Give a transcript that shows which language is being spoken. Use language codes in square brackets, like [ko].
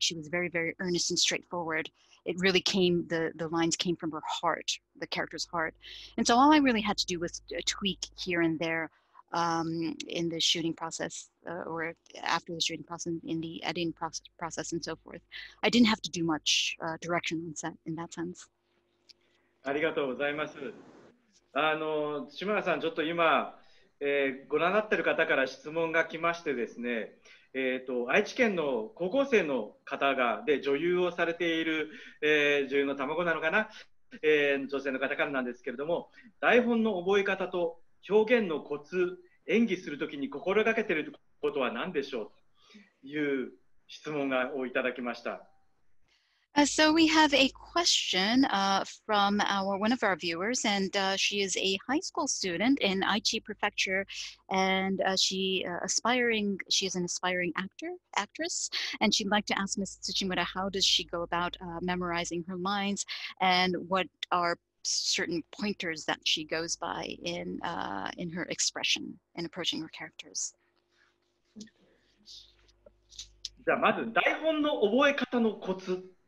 [en] She was very, very earnest and straightforward. It really came, the lines came from her heart, the character's heart. And so all I really had to do was a tweak here and there in the shooting process, or after the shooting process, in the editing process and so forth. I didn't have to do much direction on set in that sense. [ja] ありがとうございます。志村さん、ちょっと今、ご覧になっている方から質問が来ましてですね、愛知県の高校生の方がで女優をされている、女優の卵なのかな、女性の方からなんですけれども、台本の覚え方と表現のコツ、演技するときに心がけていることは何でしょうという質問をいただきました。 [en] So we have a question from one of our viewers, and she is a high school student in Aichi Prefecture, and she is an aspiring actress, and she'd like to ask Ms. Tsuchimura, how does she go about memorizing her lines, and what are certain pointers that she goes by in her expression and approaching her characters? [ja] じゃあまず台本の覚え方のコツ。